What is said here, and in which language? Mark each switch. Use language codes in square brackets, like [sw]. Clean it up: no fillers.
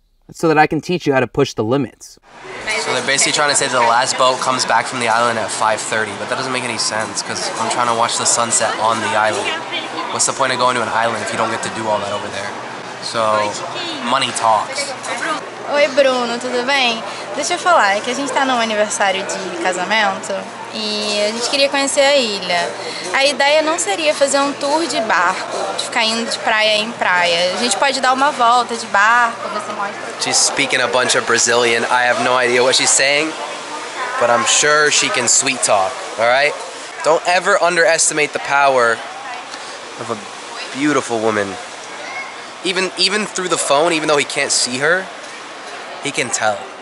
[en] So that I can teach you how to push the limits. So they're basically trying to say that the last boat comes back from the island at 5:30, but that doesn't make any sense because I'm trying to watch the sunset on the island. What's the point of going to an island if you don't get to do all that over there? So, money talks. [pt] Oi, Bruno, tudo bem? Deixa eu falar, é que a gente tá no aniversário de casamento e a gente queria conhecer a ilha. A ideia não seria fazer um tour de barco, de ficar indo de praia em praia. A gente pode dar uma volta de barco, você mostra. [en] She's speaking a bunch of Brazilian. I have no idea what she's saying, but I'm sure she can sweet talk, all right? Don't ever underestimate the power of a beautiful woman. Even through the phone, even though he can't see her, he can tell.